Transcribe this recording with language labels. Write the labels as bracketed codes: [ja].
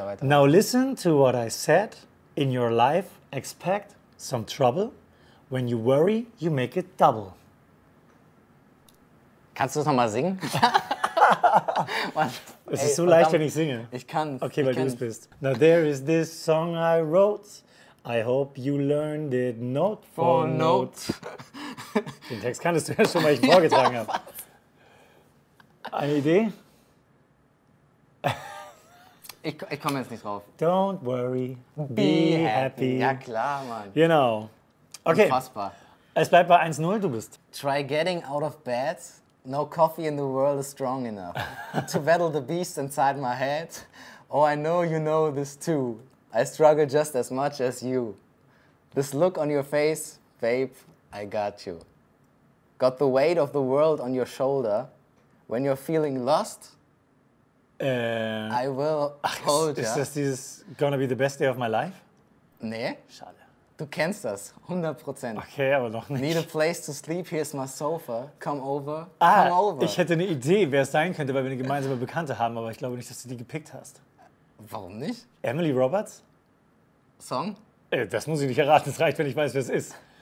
[en] Now listen to what I said. In your life, expect some trouble. When you worry, you make it double. [de] Kannst du das nochmal singen? Es ist so leicht, wenn ich singe. Ich kann. Okay, weil du es bist. [en] Now there is this song I wrote. I hope you learned it note for note. [de] Den Text kanntest du ja schon, weil ich ihn vorgetragen habe. Eine Idee? Ich komme jetzt nicht drauf. [en] Don't worry, be happy. [de] Ja klar, Mann. Genau. Okay. Unfassbar. Es bleibt bei 1-0, du bist. [en] Try getting out of bed. No coffee in the world is strong enough to battle the beast inside my head. Oh, I know you know this too. I struggle just as much as you. This look on your face, babe, I got you. Got the weight of the world on your shoulder. When you're feeling lost, I will hold you. Is this gonna be the best day of my life? [de] Nee. Schade. Du kennst das, 100%. Okay, aber noch nicht. [en] Need a place to sleep, here's my sofa, come over, [de] ich hätte eine Idee, wer es sein könnte, weil wir eine gemeinsame Bekannte haben, aber ich glaube nicht, dass du die gepickt hast. Warum nicht? Emily Roberts? Song? Das muss ich nicht erraten, es reicht, wenn ich weiß, wer es ist.